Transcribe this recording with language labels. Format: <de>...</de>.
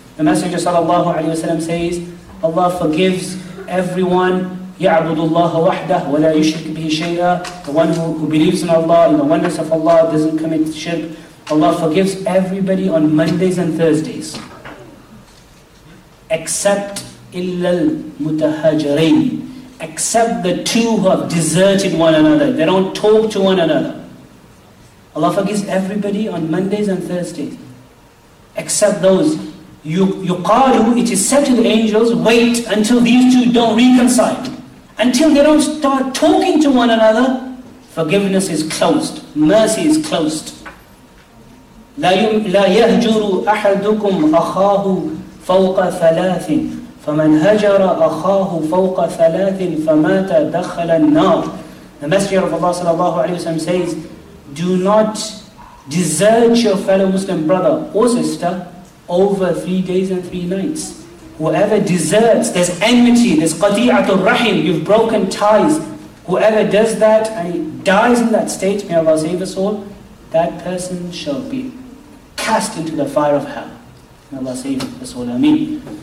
<en>The Messenger sallallahu alayhi wasallam says, Allah forgives everyone.</en> <ar>يَعْبُدُ اللَّهَ وَحْدَهُ وَلَا يُشْرِكْ بِهِ شَيْئًا.</ar> <en>The one who believes in Allah, in the oneness of Allah, doesn't commit shirk. Allah forgives everybody on Mondays and Thursdays. Except</en> <ar>إِلَّا الْمُتَهَاجَرِينَ.</ar> <en>Except the two who have deserted one another. They don't talk to one another. Allah forgives everybody on Mondays and Thursdays. Except those.</en> <ar>يُقَالُ.</ar> <en>It is said to the angels, wait until these two don't reconcile. Until they don't start talking to one another, forgiveness is closed. Mercy is closed.</en> <ar>لا يهجر أحدكم أخاه فوق ثلاث فمن هجر أخاه فوق ثلاث فمات دخل النار.</ar> <en>The Messenger of Allah sallallahu alayhi wa sallam says, do not desert your fellow Muslim brother or sister over 3 days and three nights. Whoever deserts, there's enmity, there's qati'atul rahim, you've broken ties. Whoever does that and dies in that state, may Allah save us all, that person shall be cast into the fire of hell. May Allah save us all. Ameen.</en>